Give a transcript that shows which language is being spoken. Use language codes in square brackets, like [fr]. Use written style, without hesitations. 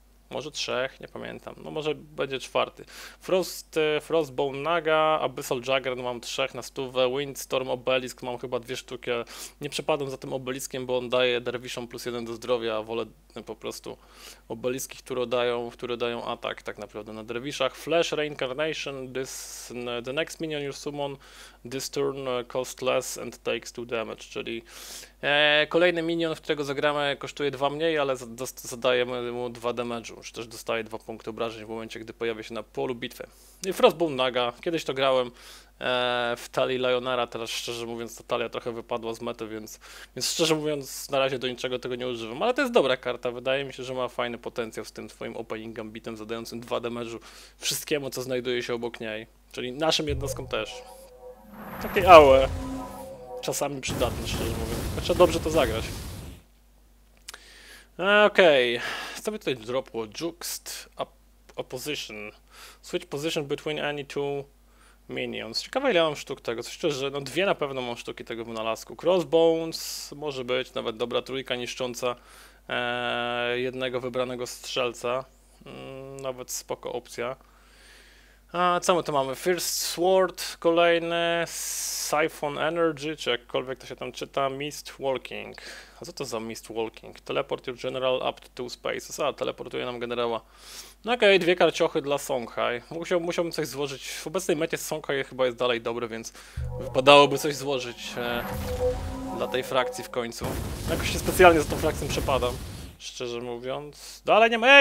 [pl] Może trzech, nie pamiętam. No może będzie czwarty. Frostbone Naga, Abyssal Juggernaut mam trzech na stówę. Windstorm Obelisk mam chyba dwie sztuki. Nie przepadam za tym obeliskiem, bo on daje derwiszom plus jeden do zdrowia. Wolę po prostu obeliski, które dają atak tak naprawdę na derwiszach. [en] Flash Reincarnation. The next minion you summon this turn cost less and takes 2 damage. [pl] Czyli kolejny minion, w którego zagramy, kosztuje dwa mniej, ale zadajemy mu 2 damage'u. Czy też dostaje 2 punkty obrażeń w momencie, gdy pojawia się na polu bitwy. I Frostbone Naga. Kiedyś to grałem w talii Leonara, teraz szczerze mówiąc ta talia trochę wypadła z mety, więc szczerze mówiąc na razie do niczego tego nie używam. Ale to jest dobra karta, wydaje mi się, że ma fajny potencjał z tym swoim Opening Gambitem zadającym 2 damage'u wszystkiemu, co znajduje się obok niej. Czyli naszym jednostkom też. Takie aue. Czasami przydatne, szczerze mówiąc. Trzeba dobrze to zagrać. Okej. Co by tutaj dropło? Juxt opposition. [en] Switch position between any two minions. [pl] Ciekawe, ile mam sztuk tego. Coś szczerze, no dwie na pewno mam sztuki tego wynalazku. Crossbones może być, nawet dobra trójka niszcząca jednego wybranego strzelca. Nawet spoko opcja. A co my tu mamy? First Sword, kolejny Siphon Energy, czy jakkolwiek to się tam czyta, Mist Walking. A co to za Mist Walking? [en] Teleport your general up to two spaces. [pl] A, teleportuje nam generała. No okej, dwie karciochy dla Songhai. Musiałbym coś złożyć. W obecnej mecie Songhai chyba jest dalej dobry, więc wypadałoby coś złożyć dla tej frakcji w końcu. Jakoś się specjalnie za tą frakcją przepadam. Szczerze mówiąc, dalej nie ma.